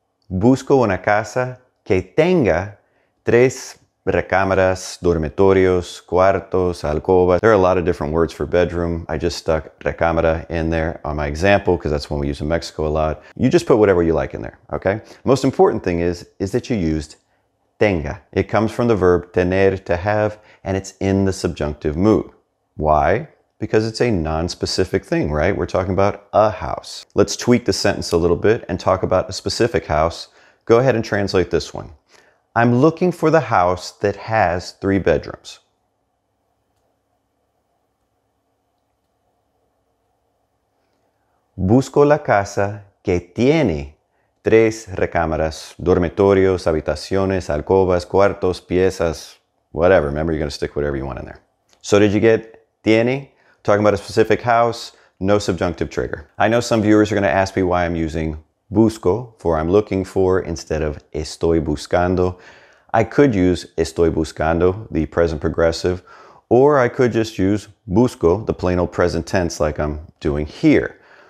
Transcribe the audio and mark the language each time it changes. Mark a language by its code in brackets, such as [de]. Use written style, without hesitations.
[es] Busco una casa que tenga 3 recámaras, dormitorios, cuartos, alcobas. [en] There are a lot of different words for bedroom. I just stuck recámara in there on my example because that's one we use in Mexico a lot. You just put whatever you like in there, okay? Most important thing is that you used tenga. It comes from the verb tener, to have, and it's in the subjunctive mood. Why? Because it's a non-specific thing, right? We're talking about a house. Let's tweak the sentence a little bit and talk about a specific house. Go ahead and translate this one. I'm looking for the house that has 3 bedrooms. [es] Busco la casa que tiene 3 recámaras, dormitorios, habitaciones, alcobas, cuartos, piezas, whatever. [en] Remember, you're going to stick whatever you want in there. So did you get tiene? Talking about a specific house, no subjunctive trigger. I know some viewers are going to ask me why I'm using busco, for I'm looking for, instead of estoy buscando. I could use estoy buscando, the present progressive, or I could just use busco, the plain old present tense, like I'm doing here.